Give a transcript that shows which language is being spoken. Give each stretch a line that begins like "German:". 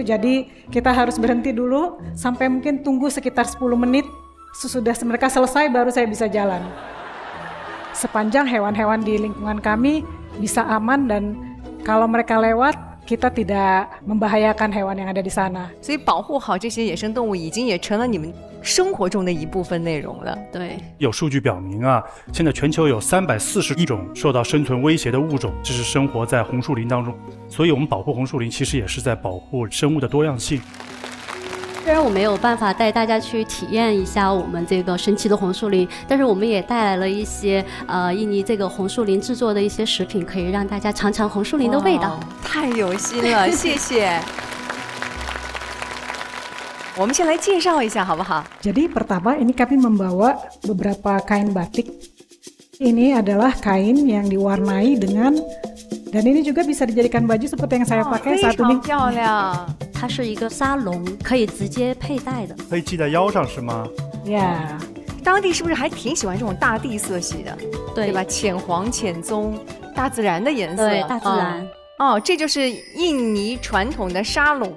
Indonesian: Jadi kita harus berhenti dulu sampai mungkin tunggu sekitar 10 menit. Sesudah mereka selesai baru saya bisa jalan. Sepanjang hewan-hewan di lingkungan kami bisa aman dan kalau mereka lewat, kita tidak membahayakan hewan yang ada di sana. Jadi,
Chinese: 保护好这些野生动物已经也成了你们生活中的一部分内容了。对，有数据表明啊，现在全球有341种受到生存威胁的物种，这是生活在红树林当中。所以，我们保护红树林其实也是在保护生物的多样性。虽然我没有办法带大家去体验一下我们这个神奇的红树林，但是我们也带来了一些印尼这个红树林制作的一些食品，可以让大家尝尝红树林的味道。太有心了，谢谢。我们先来介绍一下好不好？
Indonesian: Jadi pertama ini kami membawa beberapa kain batik. Ini adalah kain yang diwarnai dengan dan ini juga bisa dijadikan baju seperti yang saya pakai saat ini.
Chinese: 非常漂亮。它是一个沙龙，可以直接佩戴的，可以系在腰上是吗？ Yeah，当地是不是还挺喜欢这种大地色系的？对，对吧？浅黄浅棕，大自然的颜色，对，大自然。这就是印尼传统的沙龙。